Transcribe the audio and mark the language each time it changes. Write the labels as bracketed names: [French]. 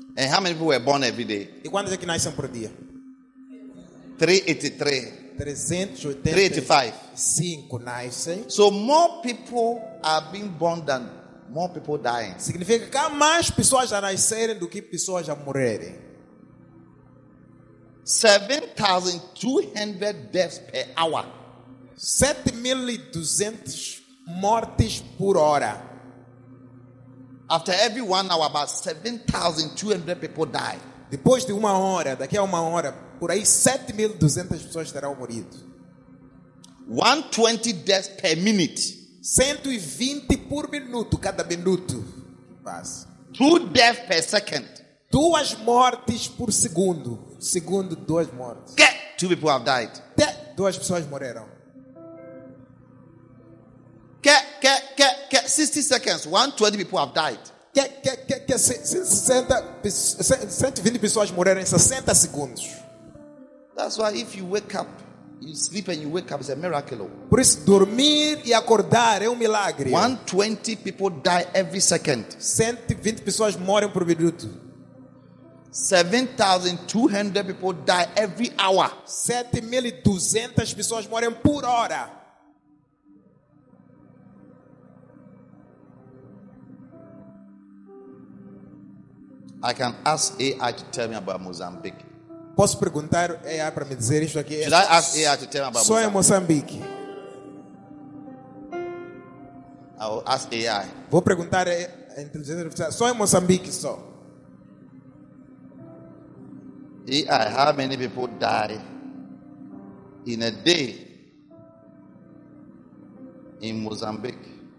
[English] And how many people were born every day? [Portuguese] E quantos é que nascem por dia? [English] 385. [Portuguese] 385. 5 nascem. [English] So more people are being born than more people dying. [Portuguese] Significa que há mais pessoas a nascerem do que pessoas a morrerem. [English] 7,200 deaths per hour. [Portuguese] 7,200 mortes por hora. [English] After every 1 hour, about 7,200 people die. [Portuguese] Depois de uma hora, daqui a uma hora, por aí 7,200 pessoas terão morrido. [English] 120 deaths per minute. [Portuguese] 120 por minuto, cada minuto. [English] 2 deaths per second. [Portuguese] duas mortes por segundo. Segundo, duas mortes. [English] Que? Two people have died. [Portuguese] De, duas pessoas morreram. [English] Que 60 seconds, 120 people have died. [Portuguese] Que 120 pessoas morreram em 60 segundos. [English] That's why if you wake up, you sleep and you wake up, it's a miracle. [Portuguese] Por isso, dormir e acordar é um milagre. [English] 120 people die every second. [Portuguese] 120 pessoas morrem por minuto. [English] 7,200 people die every hour. [Portuguese] 7,200 pessoas morrem por hora. [English] I can ask AI to tell me about Mozambique. [Portuguese] Posso perguntar AI para me dizer isso aqui? [English] Should I ask AI to tell me about [Portuguese] Mozambique? Só em Mozambique. [English] I will ask AI. [Portuguese] Vou perguntar a inteligência artificial. Só em Mozambique, só. [English] AI, how many people die in a day in Mozambique?